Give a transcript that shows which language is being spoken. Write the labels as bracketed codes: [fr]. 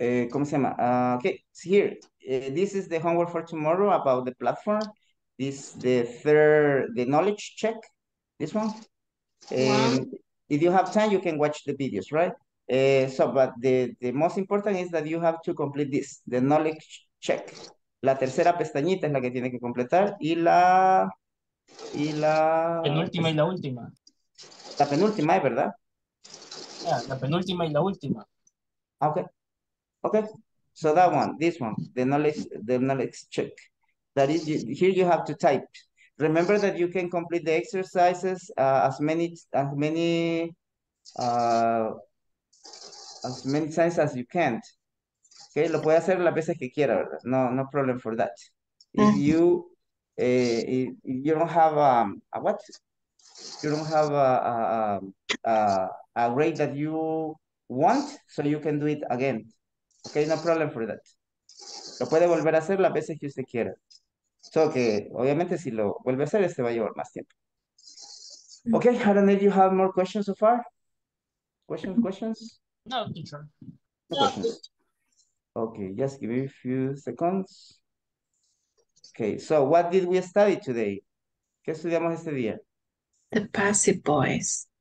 [es] ¿Cómo se llama? [en] Okay, so here. This is the homework for tomorrow about the platform. This is the third, the knowledge check, this one. If you have time, you can watch the videos, right? But the most important is that you have to complete this, the knowledge check. [es] La tercera pestañita es la que tiene que completar y la... Y la penúltima y la última. La penúltima, ¿es verdad? La penúltima y la última. [en] Okay. Okay. So that one, this one, the knowledge check. That is, here you have to type. Remember that you can complete the exercises as many times as you can. [es] Okay, lo puede hacer las veces que quiera, ¿verdad? [en] No problem for that. If you you don't have a grade that you want, so you can do it again. Okay, no problem for that. [es] Lo puede volver a hacer las veces que usted quiera. [en] So [es] que okay, obviamente si lo vuelve a hacer, este va a llevar más tiempo. [en] Okay, I don't know if you have more questions so far. Questions? No, teacher. No. Okay, just give me a few seconds. Okay, so what did we study today? [es] ¿Qué estudiamos este día? [en] The passive voice.